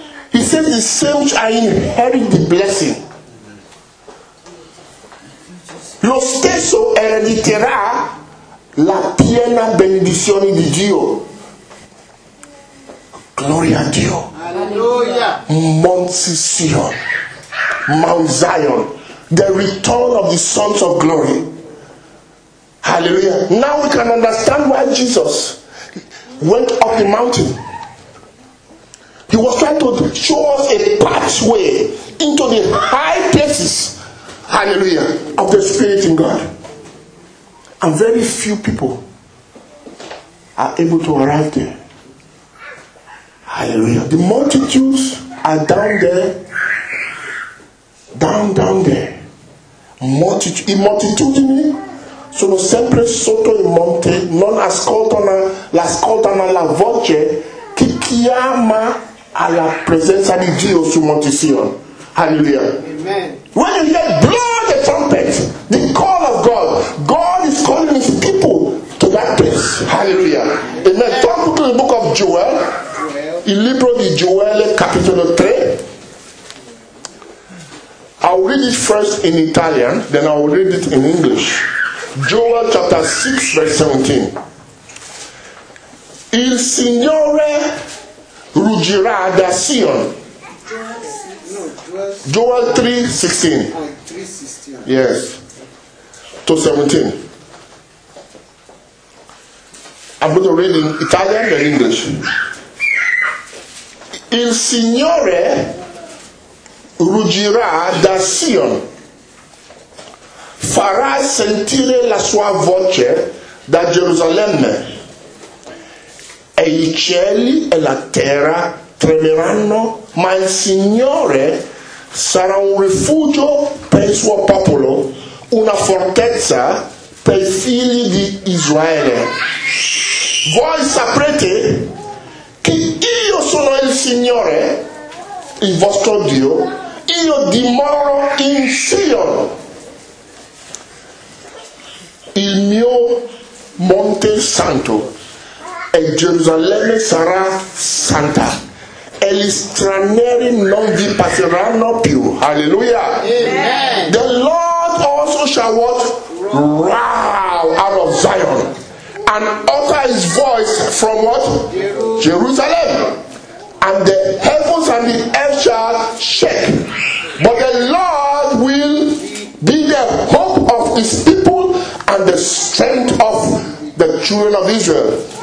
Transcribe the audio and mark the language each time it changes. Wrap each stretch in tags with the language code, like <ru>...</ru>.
<en>He says the same which I inherit the blessing.</en> <it>Lo stesso erediterà la piena benedizione di Dio. Gloria a Dio. Alleluia.</it> <en>Mount Sion. Mount Zion. The return of the sons of glory. Hallelujah. Now we can understand why Jesus went up the mountain. He was trying to show us a pathway into the high places, hallelujah, of the Spirit in God. And very few people are able to arrive there. Hallelujah. The multitudes are down there, down there.</en> <it>Multitudine sono sempre sotto il monte, non ascoltano, l'ascoltano la voce che chiama alla presenza di Dio su Monte Sion. Alleluia. Amen.</it> <en>When you hear blow the trumpet, the call of God, God is calling his people to that place. Hallelujah. Amen. Amen. Turn to the book of Joel,</en> <it>il libro di Joel, capitolo 3.</it> <en>I'll read it first in Italian, then I'll read it in English. Joel chapter 6, verse 17.</en> <it>Il Signore ruggirà da Sion.</it> <en>Joel 3, 16. Yes. To 17. I'm going to read in Italian and English.</en> <it>Il Signore ruggirà da Sion, farà sentire la sua voce da Gerusalemme, e i cieli e la terra tremeranno, ma il Signore sarà un rifugio per il suo popolo, una fortezza per i figli di Israele. Voi saprete che io sono il Signore, il vostro Dio. Io dimoro in Sion, il mio monte santo, e Gerusalemme sarà santa, e gli stranieri non vi passeranno più. Alleluia. Amen.</it> <en>The Lord also shall what? Roar out of Zion, and utter his voice from what? Jerusalem. And the heavens and the earth shall shake. But the Lord will be the hope of his people and the strength of the children of Israel.</en>